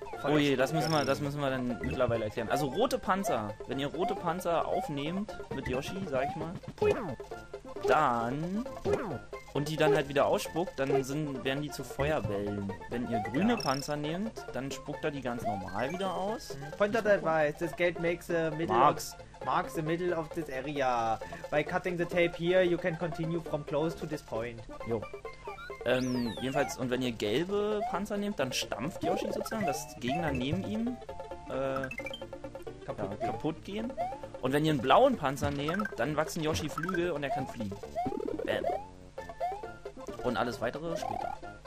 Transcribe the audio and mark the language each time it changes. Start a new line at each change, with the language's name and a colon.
German: Oh je, das müssen wir dann mittlerweile erklären. Also rote Panzer, wenn ihr rote Panzer aufnehmt mit Yoshi, sag ich mal, dann und die dann halt wieder ausspuckt, dann werden die zu Feuerbällen. Wenn ihr grüne Panzer nehmt, dann spuckt er die ganz normal wieder aus.
English: Point of advice, this gate makes the middle marks the middle of this area. By cutting the tape here, you can continue from close to this point. Jo.
German: Jedenfalls, und wenn ihr gelbe Panzer nehmt, dann stampft Yoshi sozusagen, dass Gegner neben ihm kaputt gehen. Und wenn ihr einen blauen Panzer nehmt, dann wachsen Yoshi Flügel und er kann fliegen. Bam. Und alles weitere später.